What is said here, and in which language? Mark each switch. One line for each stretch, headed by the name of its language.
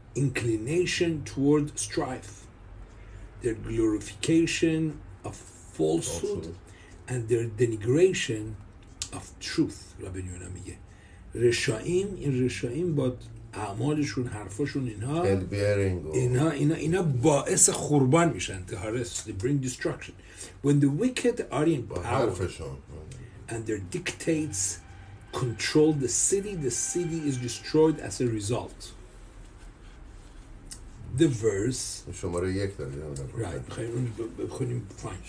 English: inclination toward strife, their glorification of falsehood, and their denigration of truth.
Persian: Rabbi Yonah میگه رشائیم, این رشائیم با اعمالشون حرفاشون اینها اینا باعث خربان میشن.
English: They bring destruction when the wicked are in power and their dictates control the city. The city is destroyed as a result. The verse
Persian: شماره یک داریم. Right. خیلی اون بخونیم. Fine.